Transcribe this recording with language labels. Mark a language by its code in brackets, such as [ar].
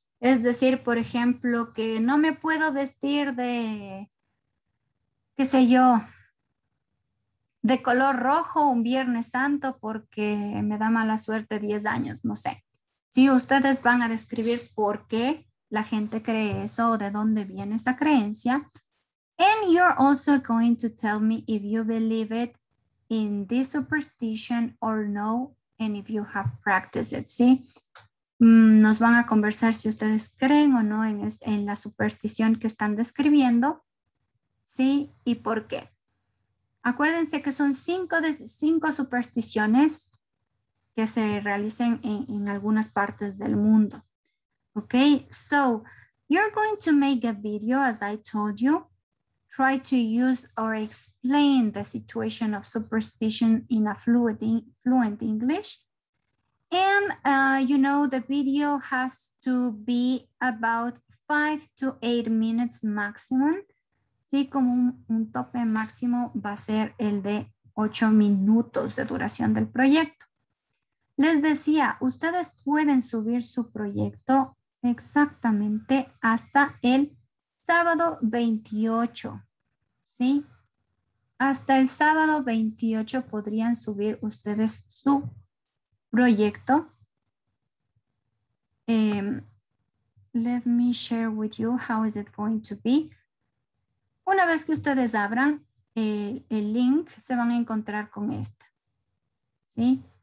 [es] Es decir, por ejemplo, que no me puedo vestir de, qué sé yo, de color rojo un Viernes Santo porque me da mala suerte 10 años, no sé. Sí, ustedes van a describir por qué la gente cree eso o de dónde viene esa creencia. [en] And you're also going to tell me if you believe it in this superstition or no, and if you have practiced it, ¿sí? [es] Nos van a conversar si ustedes creen o no en, en la superstición que están describiendo, ¿sí? Y por qué. Acuérdense que son 5 supersticiones que se realicen en algunas partes del mundo. [en] Ok, so you're going to make a video, as I told you. Try to use or explain the situation of superstition in a fluent English. And you know, the video has to be about 5 to 8 minutes maximum. [es] Sí, como un tope máximo va a ser el de 8 minutos de duración del proyecto. Les decía, ustedes pueden subir su proyecto exactamente hasta el sábado 28. ¿Sí? Hasta el sábado 28 podrían subir ustedes su proyecto. [en] Let me share with you how is it going to be. [es] Una vez que ustedes abran el link, se van a encontrar con esta. ¿Sí?